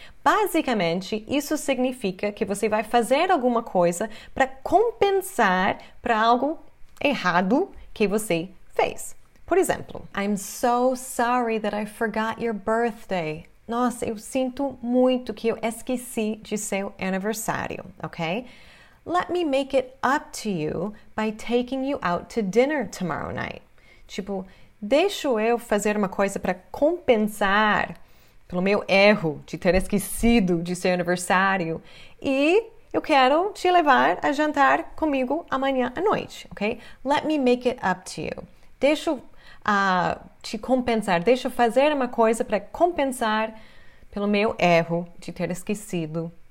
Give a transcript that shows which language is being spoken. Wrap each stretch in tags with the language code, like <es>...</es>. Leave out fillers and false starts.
<pt>Basicamente, isso significa que você vai fazer alguma coisa para compensar para algo errado que você fez.</pt> <en>Por exemplo, I'm so sorry that I forgot your birthday.</en> <pt>Nossa, eu sinto muito que eu esqueci de seu aniversário, ok?</pt> <en>Let me make it up to you by taking you out to dinner tomorrow night.</en> <pt>Tipo, deixa eu fazer uma coisa para compensar pelo meu erro de ter esquecido de seu aniversário e eu quero te levar a jantar comigo amanhã à noite, ok?</pt> <en>Let me make it up to you.</en> <pt>Deixa eu fazer uma coisa para compensar pelo meu erro de ter esquecido</pt>